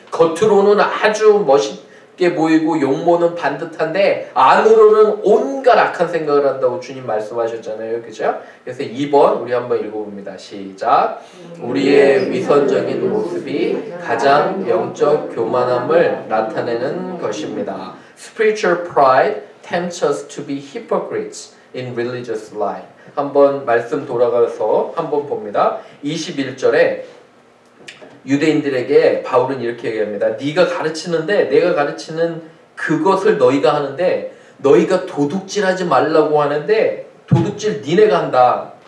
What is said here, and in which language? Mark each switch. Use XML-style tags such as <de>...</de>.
<ko>겉으로는 아주 멋있게 보이고 용모는 반듯한데 안으로는 온갖 악한 생각을 한다고 주님 말씀하셨잖아요. 그죠? 그래서 2번 우리 한번 읽어봅니다. 시작. 우리의 위선적인 모습이 가장 영적 교만함을 나타내는 것입니다.</ko> <en>Spiritual pride tempts us to be hypocrites in religious life.</en> <ko>한번 말씀 돌아가서 한번 봅니다. 21절에 유대인들에게 바울은 이렇게 얘기합니다. 네가 가르치는데 내가 가르치는 그것을 너희가 하는데 너희가 도둑질하지 말라고 하는데 도둑질 니네가 한다.</ko>